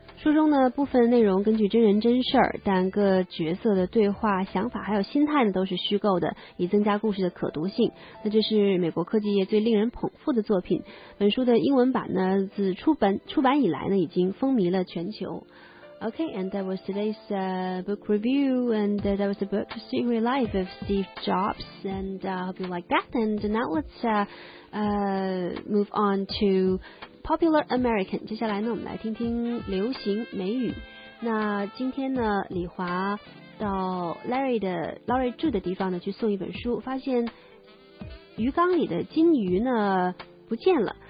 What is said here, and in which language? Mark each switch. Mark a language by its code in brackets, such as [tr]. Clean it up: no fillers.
[zh] 书中的部分内容根据真人真事，但各角色的对话、想法还有心态呢都是虚构的，以增加故事的可读性。那这是美国科技业最令人捧腹的作品。本书的英文版呢自出版以来呢已经风靡了全球。 [en] Okay, and that was today's book review, and that was the book, The Secret Life of Steve Jobs, and I hope you like that. And now let's move on to Popular American. [zh] 接下来呢，我们来听听流行美语。那今天呢，李华到 Larry 住的地方呢，去送一本书，发现鱼缸里的金鱼呢不见了。